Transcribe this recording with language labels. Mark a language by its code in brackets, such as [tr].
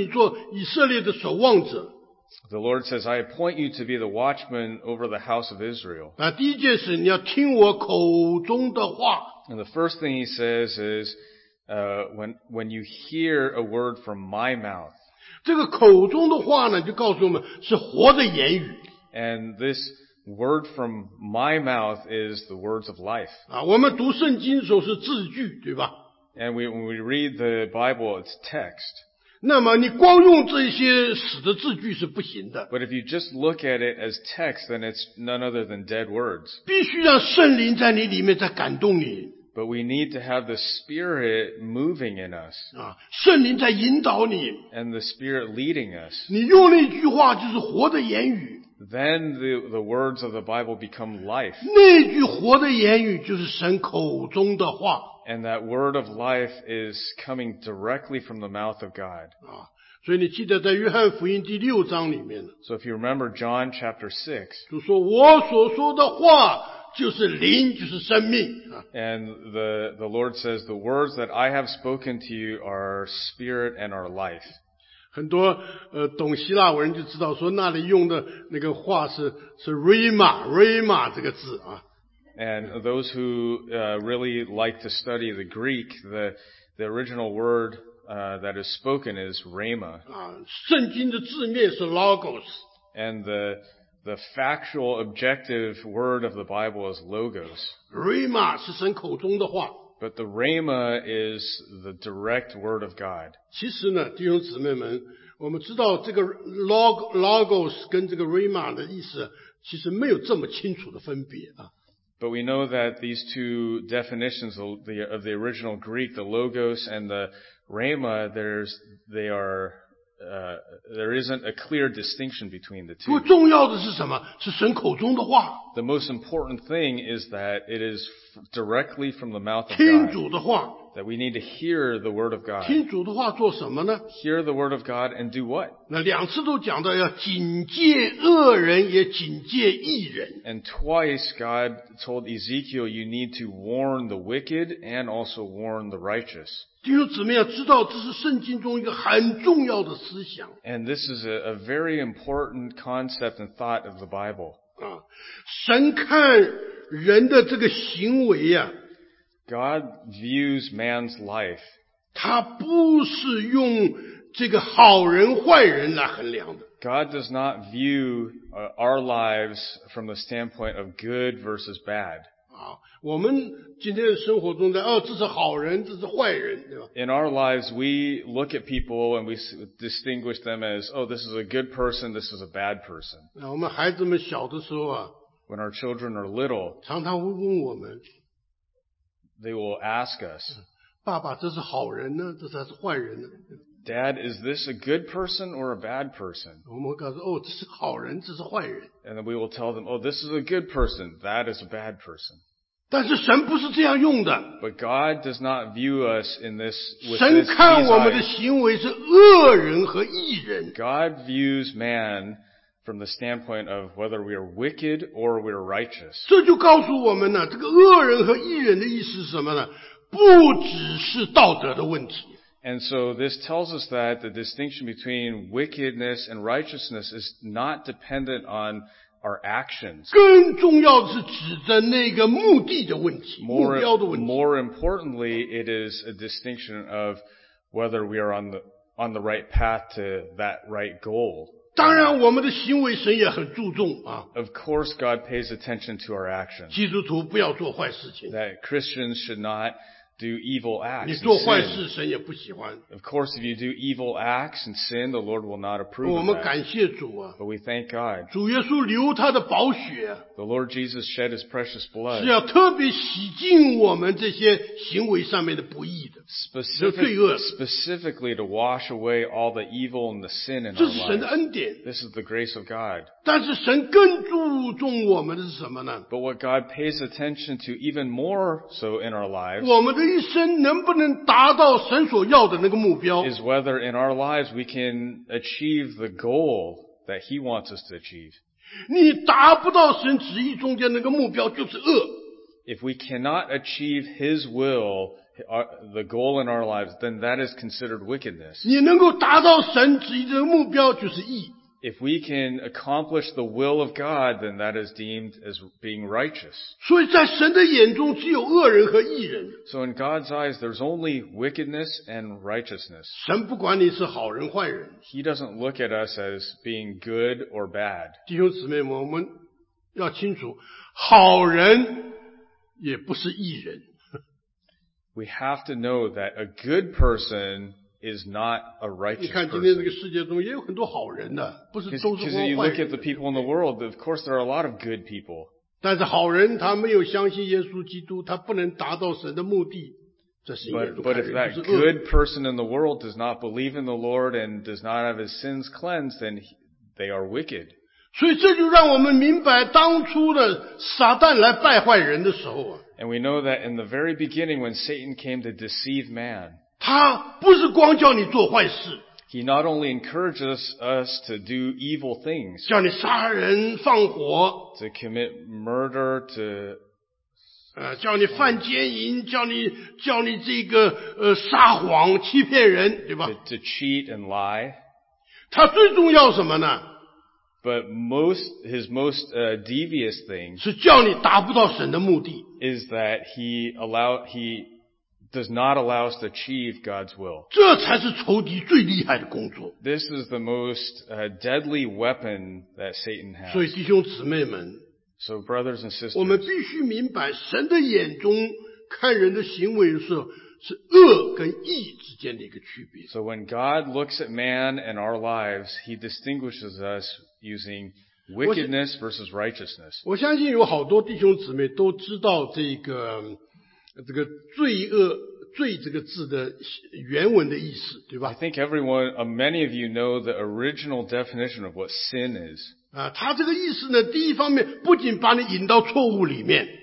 [zh] 神说我设立你做以色列的守望者。 [en] The Lord says, I appoint you to be the watchman over the house of Israel. [zh] 第一件事你要听我口中的话。 [en] And the first thing he says is, when you hear a word from my mouth. [zh] 这个口中的话呢, 就告诉我们, 是活的言语。 [en] And this word from my mouth is the words of life. [zh] 我们读圣经的时候是字句, 对吧? [en] And when we read the Bible, it's text. [zh] 那么你光用这些死的字句是不行的。 [en] But if you just look at it as text, then it's none other than dead words. [zh] 必须让圣灵在你里面在感动你。 [en] But we need to have the Spirit moving in us. [zh] 啊, 圣灵在引导你。 [en] And the Spirit leading us. [zh] 你用那句话就是活的言语。 [en] Then the words of the Bible become life. [zh] 那句活的言语就是神口中的话。 [en] And that word of life is coming directly from the mouth of God. [zh] 啊, 所以你记得在约翰福音第六章里面, [en] so if you remember John chapter 6, [zh] 就说, 我所说的话就是灵, 就是生命, 啊, [en] and the Lord says, the words that I have spoken to you are spirit and are life. [zh] 很多, 懂希腊文就知道说那里用的那个话是 rhema, rhema这个字, 啊, [en] and those who really like to study the Greek, the original word that is spoken is rhema. [zh] 圣经的字面是 logos. [en] And the factual objective word of the Bible is logos. [zh] Rhema是神口中的话。 [en] But the rhema is the direct word of God. [zh] 其实呢,弟兄姊妹们, 我们知道这个 logos跟这个 rhema的意思, 其实没有这么清楚的分别啊。 [en] But we know that these two definitions of the original Greek, the logos and the rhema, there isn't a clear distinction between the two. [zh] 不重要的是什么?是神口中的话。 [en] The most important thing is that it is directly from the mouth of God. [zh] 听主的话。 [en] That we need to hear the word of God. [zh] 听主的话做什么呢? [en] Hear the word of God and do what? [zh] 那两次都讲到要警戒恶人也警戒义人。 [en] And twice God told Ezekiel you need to warn the wicked and also warn the righteous. [zh] 弟兄姊妹要知道这是圣经中一个很重要的思想。 [en] And this is a very important concept and thought of the Bible. [zh] 神看人的这个行为啊 [en] God views man's life. [zh] 他不是用这个好人坏人来衡量的。 [en] God does not view our lives from the standpoint of good versus bad. [zh] 我们今天的生活中的，哦，这是好人，这是坏人，对吧？ [en] In our lives, we look at people and we distinguish them as, oh, this is a good person, this is a bad person. [zh] 我们孩子们小的时候啊， [en] When our children are little, [zh] 常常会问我们 [en] They will ask us, [zh] 爸爸这是好人呢这是坏人呢 [en] Dad, is this a good person or a bad person? [zh] 我们会告诉，哦，这是好人这是坏人 [en] And then we will tell them, oh, this is a good person, that is a bad person. [zh] 但是神不是这样用的 [en] But God does not view us in this, with [zh] 神看我们的行为是恶人和义人 [en] God views man from the standpoint of whether we are wicked or we are righteous. [zh] 这就告诉我们呢，这个恶人和义人的意思是什么呢？不只是道德的问题。 [en] And so this tells us that the distinction between wickedness and righteousness is not dependent on our actions. [zh] 更重要的是指着那个目的的问题，目标的问题。 [en] More importantly, it is a distinction of whether we are on the right path to that right goal. [zh] 当然我们的行为神也很注重啊。 [en] Of course God pays attention to our actions. [zh] 基督徒不要做坏事情。 [en] That Christians should not do evil acts. [zh] 你做坏事神也不喜欢。 [en] Of course if you do evil acts and sin, the Lord will not approve of that. [zh] 我们感谢主啊。 [en] But we thank God. [zh] 主耶稣流他的宝血。 [en] The Lord Jesus shed his precious blood. [zh] 是要特别洗净我们这些行为上面的不义的。 [en] Specifically to wash away all the evil and the sin in our lives. [zh] 这是神的恩典。 [en] This is the grace of God. [zh] 但是神更注重我们的是什么呢? [en] But what God pays attention to even more so in our lives. [zh] 我们的一生能不能达到神所要的那个目标? [en] Is whether in our lives we can achieve the goal that he wants us to achieve. [zh] 你达不到神旨意中间那个目标就是恶。 [en] If we cannot achieve His will, the goal in our lives, then that is considered wickedness. [zh] 你能够达到神旨意的目标就是义。 [en] If we can accomplish the will of God, then that is deemed as being righteous. [zh] 所以在神的眼中只有恶人和义人。 [en] So in God's eyes, there's only wickedness and righteousness. [zh] 神不管你是好人坏人。 [en] He doesn't look at us as being good or bad. [zh] 弟兄姊妹们，我们要清楚，好人也不是义人。 [en] We have to know that a good person is not a righteous person. [zh] 你看今天这个世界中也有很多好人的，不是都是坏人。 [en] Because you look at the people in the world, of course there are a lot of good people. [zh] 但是好人他没有相信耶稣基督，他不能达到神的目的。 [en] But if that good person in the world does not believe in the Lord and does not have his sins cleansed, then they are wicked. [zh] 所以这就让我们明白当初的撒旦来败坏人的时候啊。 [en] And we know that in the very beginning when Satan came to deceive man, [zh] 他不是光叫你做坏事。 [en] He not only encourages us to do evil things. [zh] 叫你杀人放火。 [en] To commit murder, to... [zh] 叫你犯奸淫叫你这个撒谎欺骗人对吧 [en] to cheat and lie. [zh] 他最重要什么呢 [en] But most, his most, devious thing. [zh] 是叫你达不到神的目的。 [en] Is that he allowed, he... does not allow us to achieve God's will. [zh] 这才是仇敌最厉害的工作。 [en] This is the most deadly weapon that Satan has. [zh] 所以弟兄姊妹们 [en] So brothers and sisters, [zh] 我们必须明白神的眼中看人的行为是恶跟义之间的一个区别。 [en] So when God looks at man and our lives, he distinguishes us using wickedness versus righteousness. [zh] 我相信有好多弟兄姊妹都知道这个这个罪恶罪这个字的原文的意思对吧 [en] I think everyone, many of you know the original definition of what sin is. [zh] 他这个意思呢第一方面不仅把你引到错误里面。